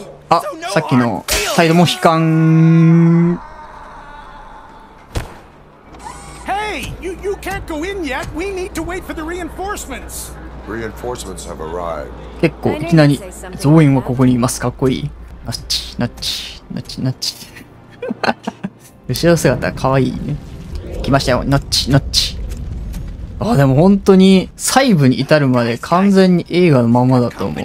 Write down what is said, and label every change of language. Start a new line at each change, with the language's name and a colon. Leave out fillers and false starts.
Japanese: あ、さっきの、サイドモヒカン。
English: You can't go in yet. We need to wait for the reinforcements. Reinforcements have arrived.
Japanese: 結構いきなり増員はここにいます。かっこいい。ナッチナッチナッチナッチ。後ろ姿かわいいね。来ましたよ。ナッチナッチ。あ、でも本当に細部に至るまで完全に映画のままだと思う。